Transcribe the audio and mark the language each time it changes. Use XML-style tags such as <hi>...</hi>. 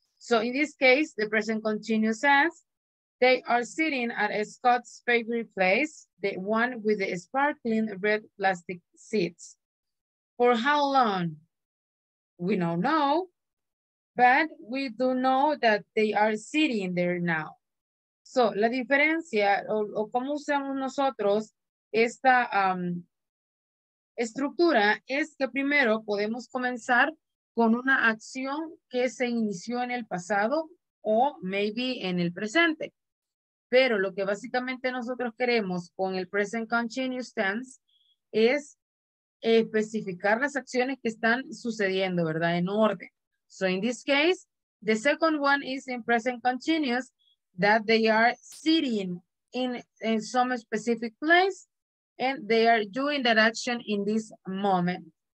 <en>So in this case, the present continuous says, they are sitting at Scott's favorite place, the one with the sparkling red plastic seats. For how long? We don't know. But we do know that they are sitting there now.</en> <es>So, la diferencia, o cómo usamos nosotros esta estructura, es que primero podemos comenzar con una acción que se inició en el pasado o maybe en el presente. Pero lo que básicamente nosotros queremos con el present continuous tense es especificar las acciones que están sucediendo, ¿verdad? En orden.</es> <en>So in this case, the second one is in present continuous, that they are sitting in some specific place, and they are doing that action in this moment.</en>